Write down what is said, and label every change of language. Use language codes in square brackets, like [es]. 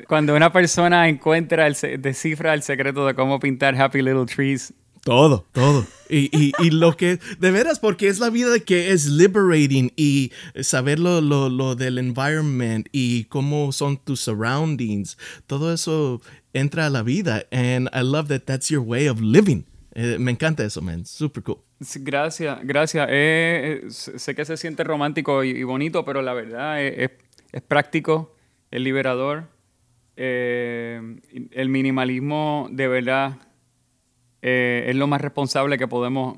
[es] Cuando una persona encuentra, descifra el secreto de cómo pintar [en] happy little trees. [es] Todo, todo. Y lo que, de veras, porque es la vida que es liberating y saber lo del environment y cómo son tus surroundings. Todo eso entra a la vida. [en] And I love that that's your way of living. [es] Me encanta eso, man. [en] Super cool. [es] Gracias. Sé que se siente romántico y bonito, pero la verdad es práctico, es liberador. El minimalismo, de verdad, es lo más responsable que podemos...